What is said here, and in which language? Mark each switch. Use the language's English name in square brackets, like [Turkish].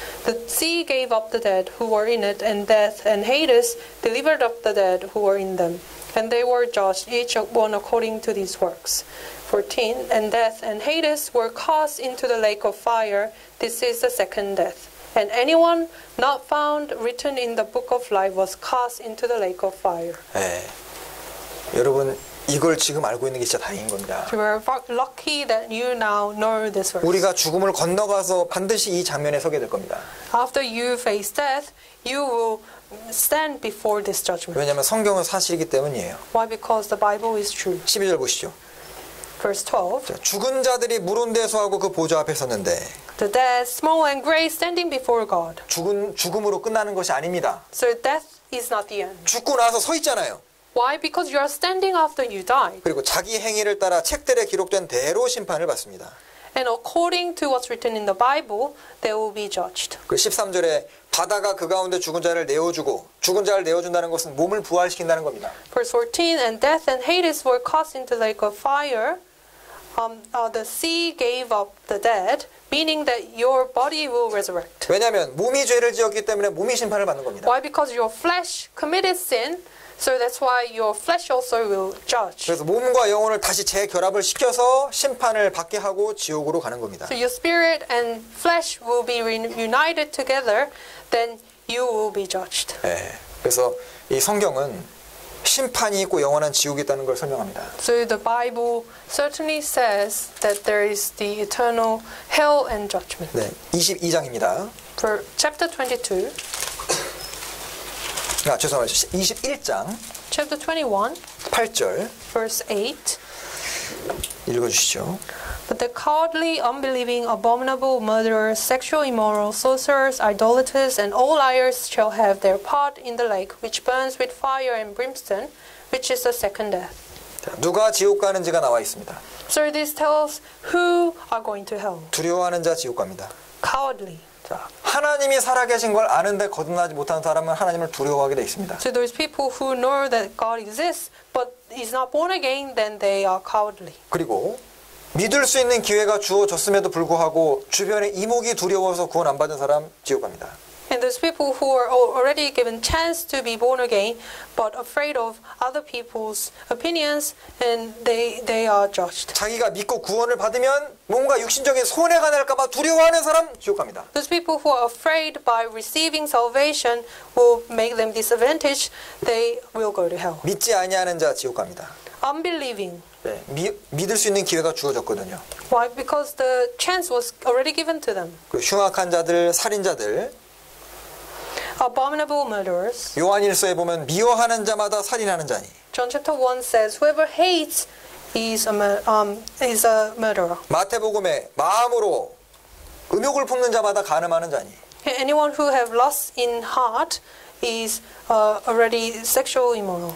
[English] The sea gave up the dead who were in it, and death and Hades delivered up the dead who were in them. And they were judged, each one according to these works. 14. And death and Hades were cast into the lake of fire. This is the second death. And anyone not found written in the book of life was cast into the lake of fire. [Korean] 네. 여러분, 이걸 지금 알고 있는 게 진짜 다행인 겁니다. [English] We are lucky that you now know this verse. [Korean] 우리가 죽음을 건너가서 반드시 이 장면에 서게 될 겁니다. [English] After you face death, you will stand before this judgment. [Korean] 왜냐하면 성경은 사실이기 때문이에요. [English] Why? Because the Bible is true. [Korean] 12절 보시죠. [English] Verse 12. [Korean] 자, 죽은 자들이 무론대소하고 그 보좌 앞에 섰는데. [English] The dead, small and great, standing before God. [Korean] 죽음으로 끝나는 것이 아닙니다. [English] So death is not the end. [Korean] 죽고 나서 서 있잖아요. [English] Why? Because you are standing after you died. [Korean] 그리고 자기 행위를 따라 책들에 기록된 대로 심판을 받습니다. [English] And according to what's written in the Bible, they will be judged. [Korean] 그 13절에 바다가 그 가운데 죽은 자를 내어주고 죽은 자를 내어준다는 것은 몸을 부활시킨다는 겁니다. [English] Verse 14, and death and Hades were cast into the lake of fire. The sea gave up the dead, meaning that your body will resurrect. [Korean] 왜냐하면 몸이 죄를 지었기 때문에 몸이 심판을 받는 겁니다. [English] Why? Because your flesh committed sin. So that's why your flesh also will judge. [Korean] 그래서 몸과 영혼을 다시 재결합을 시켜서 심판을 받게 하고 지옥으로 가는 겁니다. [English] So your spirit and flesh will be reunited together, then you will be judged. [Korean] 네, 그래서 이 성경은 심판이 있고 영원한 지옥이 있다는 걸 설명합니다. [English] So the Bible certainly says that there is the eternal hell and judgment. [Korean] 네, 22장입니다. [English] For chapter 22. [Korean] 아, 죄송합니다. 21장. [English] Chapter 21. [Korean] 8절. [English] Verse [Korean] 8. 읽어주시죠. [English] But the cowardly, unbelieving, abominable, murderers, sexual immoral, sorcerers, idolaters, and all liars shall have their part in the lake, which burns with fire and brimstone, which is the second death. [Korean] 누가 지옥 가는지가 나와 있습니다. [English] So this tells who are going to hell. [Korean] 두려워하는 자 지옥 갑니다. [English] Cowardly. [Korean] 자, 하나님이 살아계신 걸 아는데 거듭나지 못한 사람은 하나님을 두려워하게 돼 있습니다. [English] So those people who know that God exists but is not born again, then they are cowardly. [Korean] 그리고 믿을 수 있는 기회가 주어졌음에도 불구하고 주변의 이목이 두려워서 구원 안 받은 사람 지옥 갑니다. [English] And those people who are already given chance to be born again but afraid of other people's opinions and they are judged. [Korean] 자기가 믿고 구원을 받으면 뭔가 육신적인 손해가 날까 봐 두려워하는 사람 지옥 갑니다. [English] Those people who are afraid by receiving salvation will make them disadvantage, they will go to hell. [Korean] 믿지 아니하는 자 지옥 갑니다. [English] Unbelieving. [Korean] 네, 믿을 수 있는 기회가 주어졌거든요. [English] Why? Because the chance was already given to them. [Korean] 그 흉악한 자들, 살인자들. [English] Abominable murderers. [Korean] 요한일서에 보면 미워하는 자마다 살인하는 자니. [English] John chapter 1 says, whoever hates is a murderer. [Korean] 마태복음에 마음으로 음욕을 품는 자마다 간음하는 자니. [English] Anyone who have lust in heart is already sexual immoral.